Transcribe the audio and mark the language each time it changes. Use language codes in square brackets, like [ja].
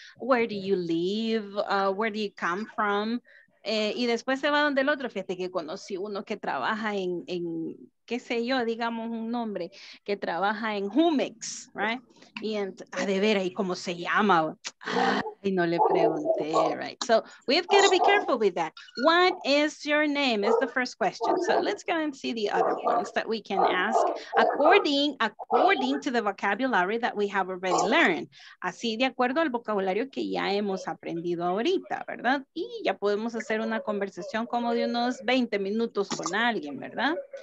[en] Where do you live? Where do you come from? [es] Y después se va donde el otro. Fíjate que conocí uno que trabaja en qué sé yo, digamos un nombre que trabaja en Jumex, [en] right? [es] Y en, ah, de ver ahí cómo se llama. Y no le pregunté, [en] right? So we've got to be careful with that. What is your name? Is the first question. So let's go and see the other ones that we can ask according to the vocabulary that we have already learned. [es] Así de acuerdo al vocabulario que ya hemos aprendido ahorita, ¿verdad? Y ya podemos hacer una conversación como de unos 20 minutos con alguien, ¿verdad?